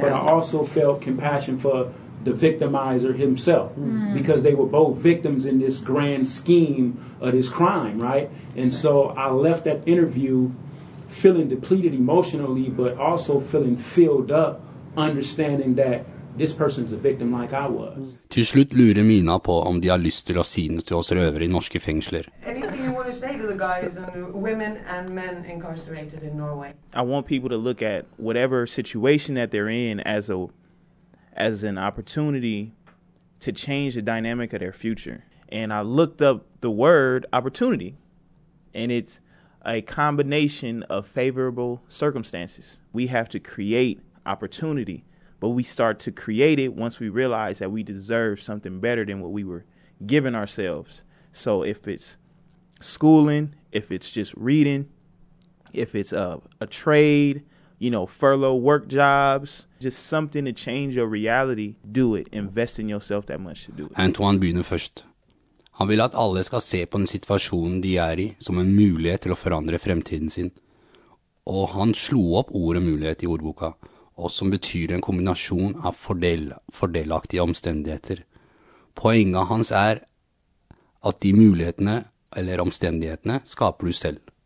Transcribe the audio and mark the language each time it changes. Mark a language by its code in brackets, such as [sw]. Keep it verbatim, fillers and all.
[en] But I also felt compassion for the victimizer himself, mm. because they were both victims in this grand scheme of this crime, right? And so I left that interview feeling depleted emotionally, but also feeling filled up, understanding that this person's a victim like I was. [no] Till slut lurer Mina på om de har lyst till att se något till oss rövare i norska fängelser. [en] Anything you want to say to the guys and women and men incarcerated in Norway? I want people to look at whatever situation that they're in as a as an opportunity to change the dynamic of their future. And I looked up the word opportunity, and it's a combination of favorable circumstances. We have to create opportunity. But we start to create it once we realize that we deserve something better than what we were giving ourselves. So if it's schooling, if it's just reading, if it's a, a trade, you know, furlough work jobs, just something to change your reality, do it. Invest in yourself that much to do it. [no] Antoine begynner først. Han vil at alle skal se på den situasjonen de er i som en mulighet til å forandre fremtiden sin. Og han slo opp ordet mulighet i ordboka, og som betyr en kombinasjon av fordel, fordelaktige omstendigheter. Poenget hans er at de mulighetene eller omstendighetene skaper du selv.